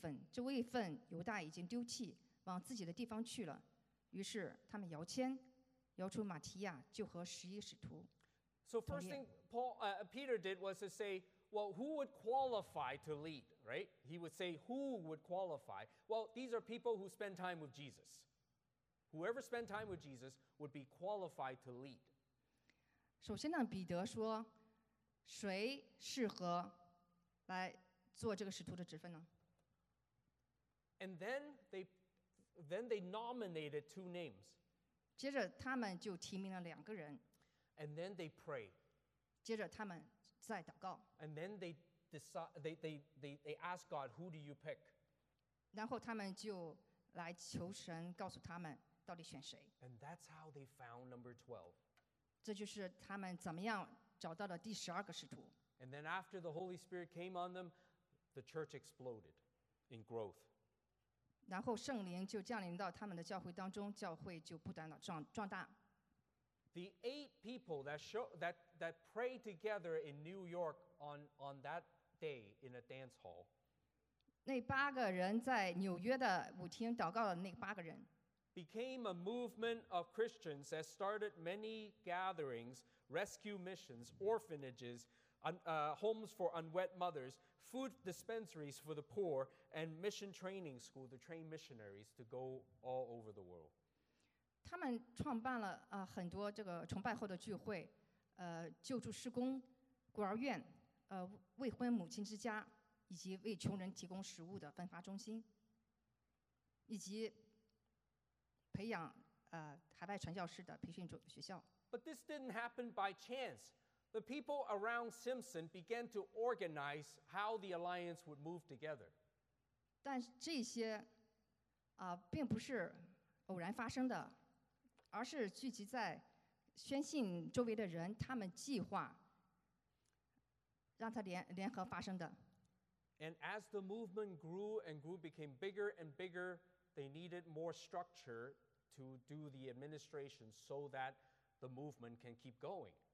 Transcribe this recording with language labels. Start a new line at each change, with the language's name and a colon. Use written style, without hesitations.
Chinese: 这位分，犹大已经丢弃，往自己的地方去了。于是他们摇签，摇出马提亚，就和十一使徒。
English: So first thing Peter did was to say, well, who would qualify to lead, right? He would say, who would qualify? Well, these are people who spend time with Jesus. Whoever spend time with Jesus would be qualified to lead.
Chinese: 首先呢，彼得说，谁适合来做这个使徒的职分呢？
English: And then they nominated two names.
Chinese: 接着他们就提名了两个人。
English: And then they pray.
Chinese: 接着他们在祷告。
English: And then they decide, they ask God, who do you pick?
Chinese: 然后他们就来求神告诉他们到底选谁。
English: And that's how they found number 12.
Chinese: 这就是他们怎么样找到了第十二个使徒。
English: And then after the Holy Spirit came on them, the church exploded in growth.
Chinese: 然后圣灵就降临到他们的教会当中，教会就不断的壮大。
English: The eight people that prayed together in New York on that day in a dance hall.
Chinese: 那八个人在纽约的舞厅祷告的那八个人
English: became a movement of Christians that started many gatherings, rescue missions, orphanages. Homes for unwed mothers, food dispensaries for the poor, and mission training school to train missionaries to go all over the world.
Chinese: 他们创办了很多这个崇拜后的聚会，救助施工、孤儿院、未婚母亲之家，以及为穷人提供食物的分发中心，以及培养海外传教士的培训学校。
English: But this didn't happen by chance. The people around Simpson began to organize how the alliance would move together.
Chinese: 但这些并不是偶然发生的，而是聚集在宣信周围的人，他们计划让它联合发生的。
English: And as the movement grew and grew, became bigger and bigger, they needed more structure to do the administration so that the movement can keep going.